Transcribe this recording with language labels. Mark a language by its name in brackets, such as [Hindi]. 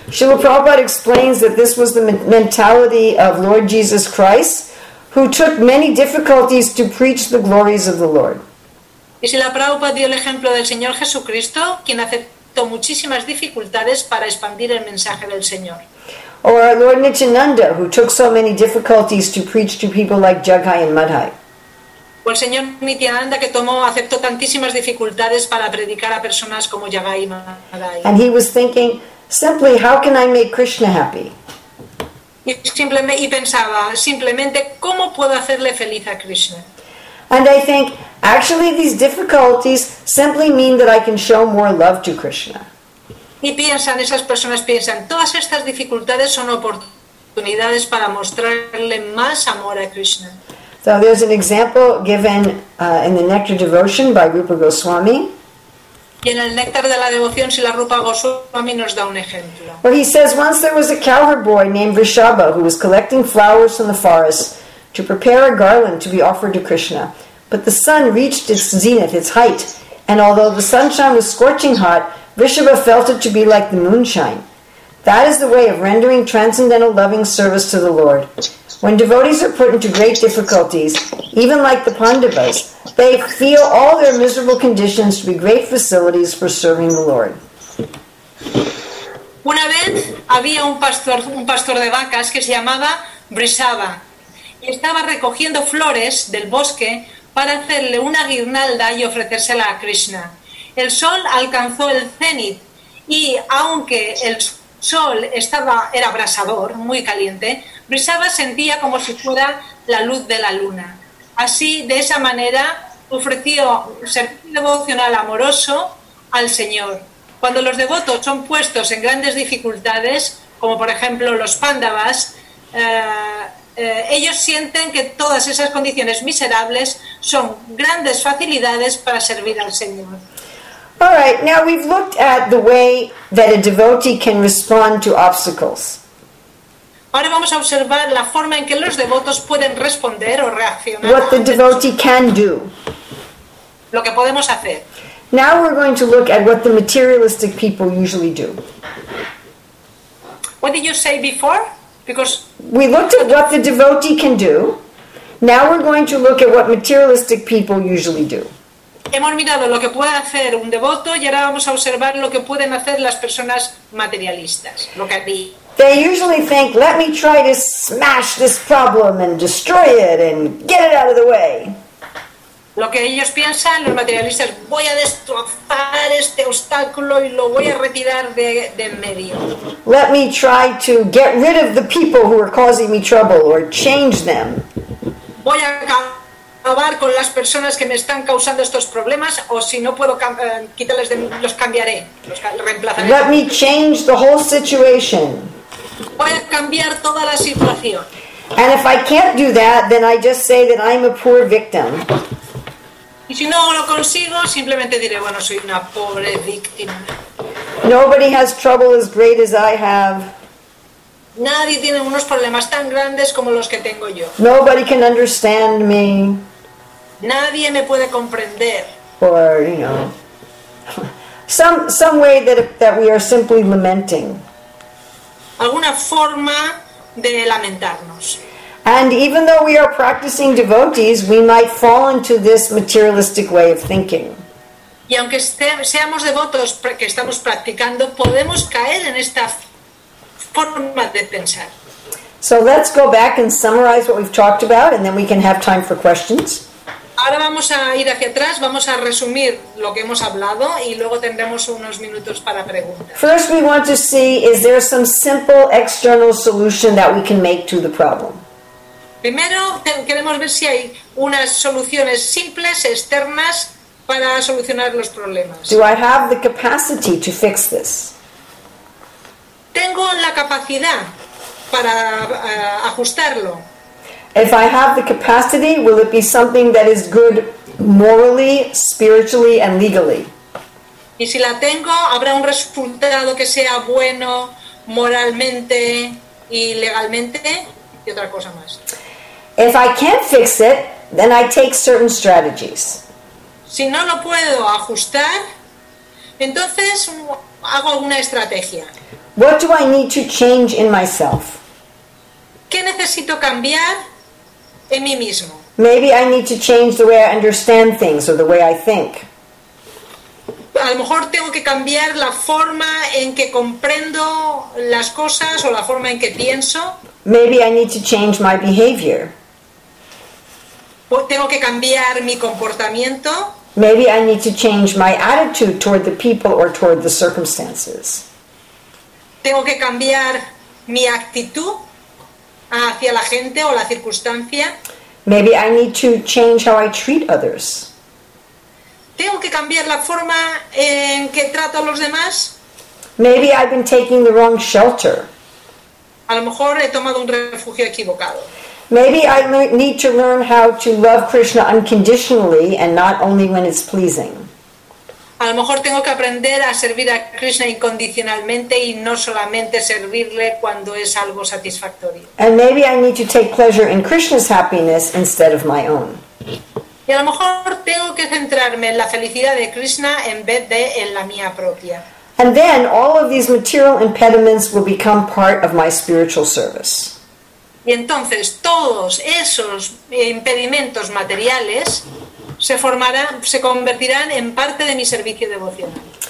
[English] Srila Prabhupada explains that this was the mentality of Lord Jesus Christ, who took many difficulties to preach the glories of the Lord. [Spanish] Y si la Prabhupada dio el ejemplo del Señor Jesucristo, quien aceptó muchísimas dificultades para expandir el mensaje del Señor. [English] Or our Lord Nityananda, who took so many difficulties to preach to people like Jaghai and Madhai. [Spanish] O el Señor Nityananda, que aceptó tantísimas dificultades para predicar a personas como Jaghai y Madhai. [English] And he was thinking, simply, how can I make Krishna happy? [Spanish] Y pensaba, simplemente, ¿cómo puedo hacerle feliz a Krishna? [English] And I think, actually, these difficulties simply mean that I can show more love to Krishna. [Spanish] Y piensan, esas personas piensan, todas estas dificultades son oportunidades para mostrarle más amor a Krishna. [English] So there's an example given in the Nectar Devotion by Rupa Goswami. [Spanish] Y en el Néctar de la Devoción, Srila Rupa Goswami nos da un ejemplo. [English] Where he says, once there was a cowherd boy named Vrishabha who was collecting flowers from the forest to prepare a garland to be offered to Krishna. But the sun reached its zenith, its height, and although the sunshine was scorching hot, Vrishabha felt it to be like the moonshine. That is the way of rendering transcendental loving service to the Lord. When devotees are put into great difficulties, even like the Pandavas, they feel all their miserable conditions to be great facilities for serving the Lord. [Spanish] Una vez había un pastor de vacas que se llamaba Vrishabha, y estaba recogiendo flores del bosque para hacerle una guirnalda y ofrecérsela a Krishna. El sol alcanzó el cénit, y aunque el sol era abrasador, muy caliente, Vrishabha sentía como si fuera la luz de la luna. Así, de esa manera, ofreció servicio devocional amoroso al Señor. Cuando los devotos son puestos en grandes dificultades, como por ejemplo los Pandavas, ellos sienten que todas esas condiciones miserables son grandes facilidades para servir al Señor. [English] All right, now we've looked at the way that a devotee can respond to obstacles. [Spanish] Ahora vamos a observar la forma en que los devotos pueden responder o reaccionar. [English] What the devotee can do. [Spanish] Lo que podemos hacer. [English] Now we're going to look at what the materialistic people usually do. What did you say before? Because we looked at what the devotee can do. Now we're going to look at what materialistic people usually do. [Spanish] Hemos mirado lo que puede hacer un devoto y ahora vamos a observar lo que pueden hacer las personas materialistas, lo que [English] They usually think, let me try to smash this problem and destroy it and get it out of the way. [Spanish] Lo que ellos piensan, los materialistas, voy a destrozar este obstáculo y lo voy a retirar de en medio. [English] Let me try to get rid of the people who are causing me trouble or change them. [Spanish] Voy a acabar con las personas que me están causando estos problemas o si no puedo quitarles de los cambiaré, los reemplazaré. [English] Let me change the whole situation. [Spanish] Voy a cambiar toda la situación. [English] And if I can't do that, then I just say that I'm a poor victim. [Spanish] Y si no lo consigo, simplemente diré, bueno, soy una pobre víctima. [English] Nobody has trouble as great as I have. [Spanish] Nadie tiene unos problemas tan grandes como los que tengo yo. [English] Nobody can understand me. [Spanish] Nadie me puede comprender. [English] Or, you know, some way that we are simply lamenting. [Spanish] Alguna forma de lamentarnos. [English] And even though we are practicing devotees, we might fall into this materialistic way of thinking. [Spanish] Y aunque seamos devotos que estamos practicando, podemos caer en esta forma de pensar. [English] So let's go back and summarize what we've talked about, and then we can have time for questions. [Spanish] Ahora vamos a ir hacia atrás, vamos a resumir lo que hemos hablado y luego tendremos unos minutos para preguntas. [English] First we want to see, is there some simple external solution that we can make to the problem? [Spanish] Primero queremos ver si hay unas soluciones simples externas para solucionar los problemas. [English] Do I have the capacity to fix this? [Spanish] Tengo la capacidad para ajustarlo. [English] If I have the capacity, will it be something that is good morally, spiritually, and legally? [Spanish] Y si la tengo, habrá un resultado que sea bueno moralmente y legalmente y otra cosa más. [English] If I can't fix it, then I take certain strategies. [Spanish] Si no lo puedo ajustar, entonces hago alguna estrategia. [English] What do I need to change in myself? [Spanish] ¿Qué necesito cambiar en mí mismo? [English] Maybe I need to change the way I understand things or the way I think. [Spanish] A lo mejor tengo que cambiar la forma en que comprendo las cosas o la forma en que pienso. [English] Maybe I need to change my behavior. [Spanish] Tengo que cambiar mi comportamiento. [English] Maybe I need to change my attitude toward the people or toward the circumstances. [Spanish] Tengo que cambiar mi actitud hacia la gente o la circunstancia. [English] Maybe I need to change how I treat others. [Spanish] Tengo que cambiar la forma en que trato a los demás. [English] Maybe I've been taking the wrong shelter. [Spanish] A lo mejor he tomado un refugio equivocado. [English] Maybe I need to learn how to love Krishna unconditionally and not only when it's pleasing. [Spanish] A lo mejor tengo que aprender a servir a Krishna incondicionalmente y no solamente servirle cuando es algo satisfactorio. [English] And maybe I need to take pleasure in Krishna's happiness instead of my own. [Spanish] Y a lo mejor tengo que centrarme en la felicidad de Krishna en vez de en la mía propia. [English] And then all of these material impediments will become part of my spiritual service. [Spanish] Y entonces todos esos impedimentos materiales se convertirán en parte de mi servicio devocional.